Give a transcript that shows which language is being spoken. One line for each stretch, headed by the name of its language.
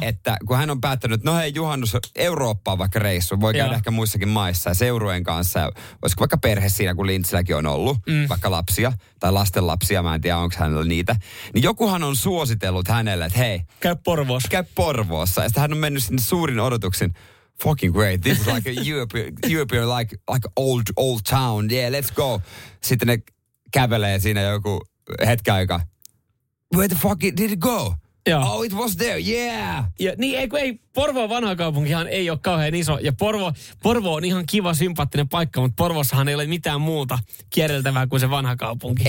Finnish: Että kun hän on päättänyt, no hei juhannus Eurooppaan vaikka reissu, voi käydä ehkä muissakin maissa ja seurueen kanssa. Ja olisiko vaikka perhe siinä, kun Lintzilläkin on ollut, vaikka lapsia tai lastenlapsia, mä en tiedä onko hänellä niitä. Niin jokuhan on suositellut hänelle, että hei. Käy Porvoossa. Käy Porvoossa. Ja sitten hän on mennyt sinne suurin odotuksin.
English: Fucking great. This is like a European like old town. Yeah, let's go.
Finnish: Sitten ne kävelee siinä joku hetki aika.
English: Where the fuck did it go?
Finnish: Joo.
English: Oh, it was there. Yeah.
Finnish: Ja, niin ei, Porvoon vanha kaupunkihan ei ole kauhean iso. Ja Porvo on ihan kiva, sympaattinen paikka, mutta Porvossahan ei ole mitään muuta kierreltävää kuin se vanha kaupunki.